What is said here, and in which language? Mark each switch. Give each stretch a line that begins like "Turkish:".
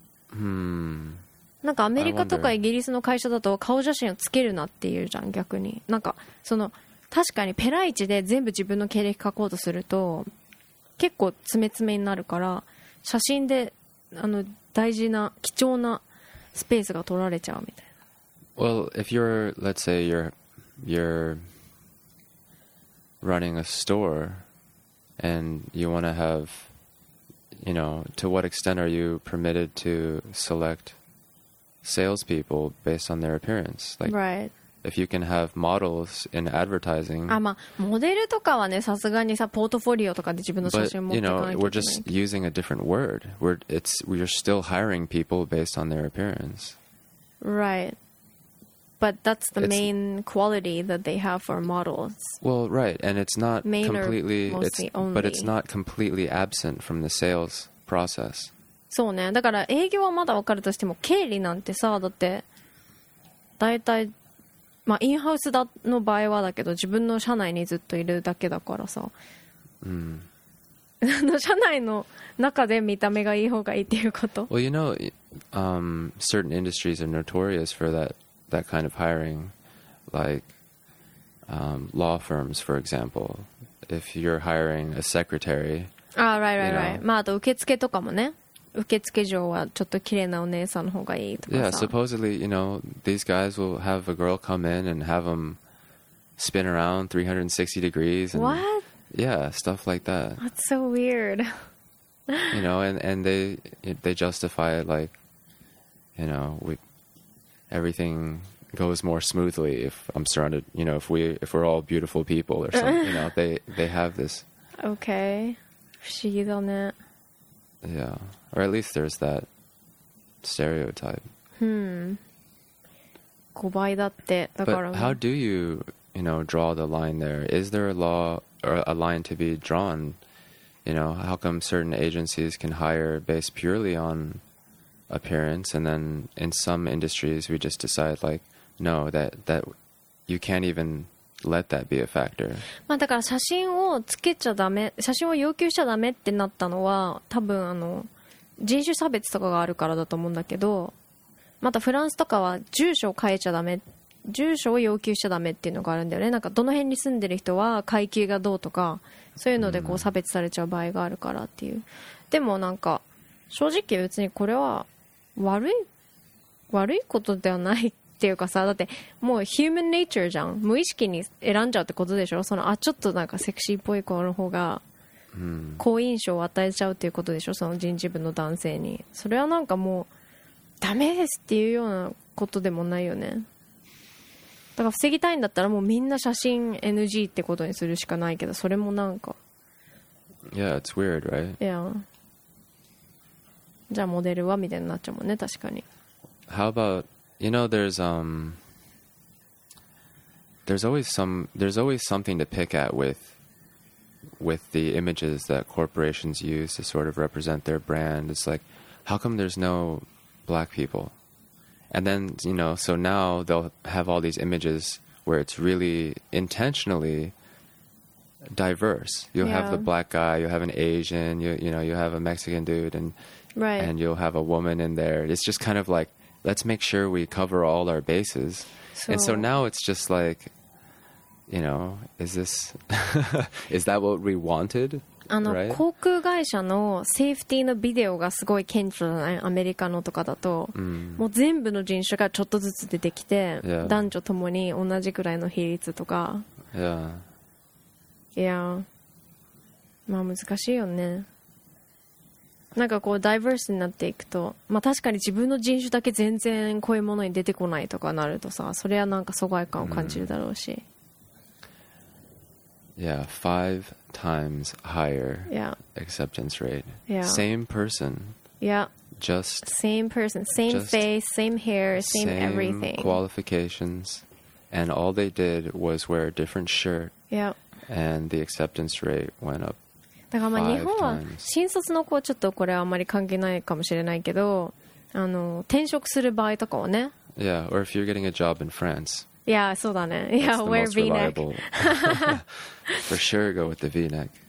Japanese: なんかアメリカとかイギリスの会社だと顔写真をつけるなっていうじゃん、逆に。なんかその確かにペライチで全部自分の経歴書こうとすると結構詰め詰めになるから、写真であの大事な貴重なスペースが取られちゃうみたいな。
English: Well, if you're, let's say you're running a store and you want to have, you know, to what extent are you permitted to select salespeople based on their appearance? Like, right. If you can have models in advertising,
Japanese: あ、まあ、モデルとかはね、さすがにさ、ポートフォリオとかで自分の写真持ってかないといけないけど。
English: But, you know, we're just using a different word. We're still hiring people based on their appearance. Right. But that's the main quality that they have for models. Well, right. And it's not main completely, it's, only. But it's not completely absent from the sales process.
Japanese: そうね。だから営業はまだわかるとしても、経理なんてさ、だって、だいたい、まあ、インハウスだの場合はだけど、自分の社内にずっといるだけだからさ、うん、社内の中で見た目がいい方がいいっていうこと。
English: Well, you know, certain industries are notorious for that kind of hiring, like law firms, for example. If you're hiring a secretary, ah, right, right, right. まあ、あと受付とかもね、受付嬢はちょっと綺麗なお姉さんの方がいいとかさ。 Yeah, supposedly, you know, these guys will have a girl come in and have them spin around 360 degrees. And, What? Yeah, stuff like that. That's so weird. You know, and they justify it like, you know, everything goes more smoothly if I'm surrounded, you know, if we're all beautiful people or something. You know, they have this.
Japanese: Okay. 不思議だね。
English: Yeah, or at least there's that stereotype.
Japanese: Hmm. 5倍だって。だから。
English: But how do you, you know, draw the line there? Is there a law or a line to be drawn? You know, how come certain agencies can hire based purely on appearance, and then in some industries we just decide like, no, that you can't even let that be a factor.
Japanese: まあだから写真をつけちゃダメ、写真を要求しちゃダメってなったのは、多分あの人種差別とかがあるからだと思うんだけど、またフランスとかは住所を変えちゃダメ、住所を要求しちゃダメっていうのがあるんだよね。なんかどの辺に住んでる人は階級がどうとか、そういうのでこう差別されちゃう場合があるからっていう。でもなんか正直別にこれは悪いことではない。っていうかさ、だってもう
English: human nature
Japanese: じゃん、無意識に選んじゃうってことでしょ。そのあちょっとなんかセクシーっぽい子の方が好印象を与えちゃうっていうことでしょ、その人事部の男性に。それはなんかもうダメですっていうようなことでもないよね。だから防ぎたいんだったらもうみんな写真 NG ってことにするしかないけど、それもなんか
English: Yeah, it's weird, right? Yeah.
Japanese: じゃあモデルはみたいになっちゃうもんね、確かに。
English: How aboutYou know, there's always something to pick at with the images that corporations use to sort of represent their brand. It's like, how come there's no black people? And then, you know, so now they'll have all these images where it's really intentionally diverse. You'll have the black guy, you'll have an Asian, you'll have a Mexican dude, and you'll have a woman in there. It's just kind of like,Let's make sure we cover all our bases. So, and so now it's just like, you know, is this, is that what we wanted? あの、 right?
Japanese: 航空会社のセーフティーのビデオがすごい顕著じゃない？アメリカのとかだと、もう全部の人種がちょっとずつ出てきて、男女ともに同じくらいの比率とか。
English: Yeah.
Japanese: Yeah. まあ難しいよね。なんかこうダイバースになっていくと、まあ、確かに自分の人種だけ全然こういうものに出てこないとかなるとさ、それはなんか疎外感を感じるだろうし、
English: Yeah, five times higher acceptance rate. Yeah. Same person. Yeah. Just same person, same face, same hair, same everything. Same qualifications, and all they did was wear a different shirt. Yeah. And the acceptance rate went up.
Japanese: だからまあ日本は新卒の子はちょっとこれはあまり関係ないかもしれないけど、あの転職する場合とかはね。
English: Yeah, or if you're getting a job in France. Yeah,
Japanese: そうだね。
English: Yeah, wear V-neck. For sure, go with the V-neck.